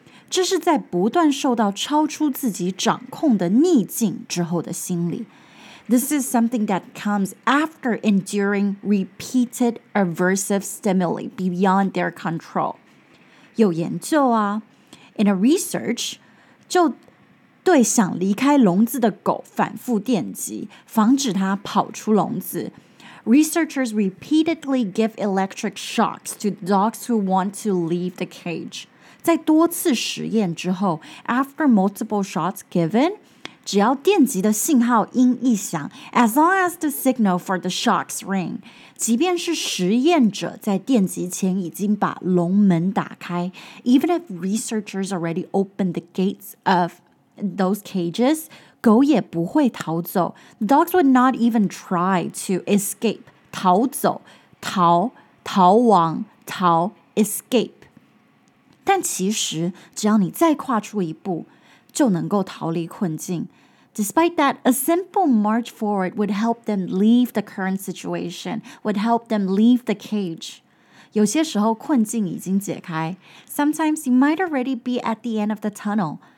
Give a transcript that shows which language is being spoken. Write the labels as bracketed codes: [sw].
[zh] 这是在不断受到超出自己掌控的逆境之后的心理。 [en] This is something that comes after enduring repeated aversive stimuli beyond their control. [zh] 有研究啊 [en] in a research, [zh] 就对想离开笼子的狗反复电击，防止它跑出笼子。 [en] Researchers repeatedly give electric shocks to dogs who want to leave the cage. [zh] 在多次实验之后 ， [en] after multiple shots given， [zh] 只要电击的信号音一响 ， [en] as long as the signal for the shocks ring， [zh] 即便是实验者在电击前已经把笼门打开 ， [en] even if researchers already opened the gates of those cages, [zh] 狗也不会逃走。 [en] Dogs would not even try to escape, 逃走、逃、逃亡、逃、escape. [zh] 但其实只要你再跨出一步就能够逃离困境。 [en] Despite that, a simple march forward would help them leave the current situation, would help them leave the cage. [zh] 有些时候困境已经解开。 [en] Sometimes you might already be at the end of the tunnel.